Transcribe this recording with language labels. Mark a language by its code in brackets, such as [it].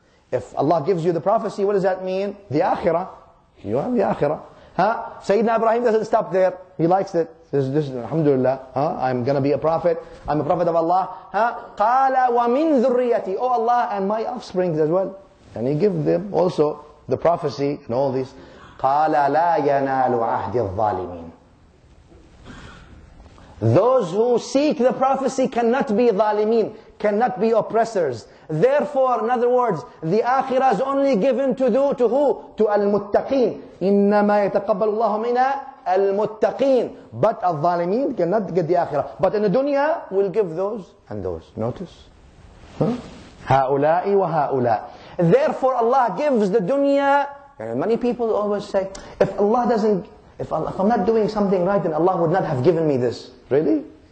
[en] If Allah gives you the prophecy, what does that mean? The Akhirah. You are the Akhirah. Sayyidina Ibrahim doesn't stop there. He likes it. This alhamdulillah. I'm gonna be a prophet. I'm a prophet of Allah. [ar] قال ومن ذريتي. [en] Oh Allah, and my offsprings as well. And He gives them also the prophecy and all this. [ar] قال لا ينال عهد الظالمين. [en] Those who seek the prophecy cannot be zalimin, cannot be oppressors. Therefore, in other words, the akhirah is only given to who? To al-muttaqeen. [ar] إِنَّمَا يَتَقَبَّلُ اللَّهُ مِنَا al-muttaqeen. [en] But al-zalimin cannot get the akhirah. But in the dunya, we'll give those and those. Notice. [ar] هَؤُلَاءِ وَهَؤُلَاءِ. [en] Therefore, Allah gives the dunya. Many people always say, if I'm not doing something right, then Allah would not have given me this. Really?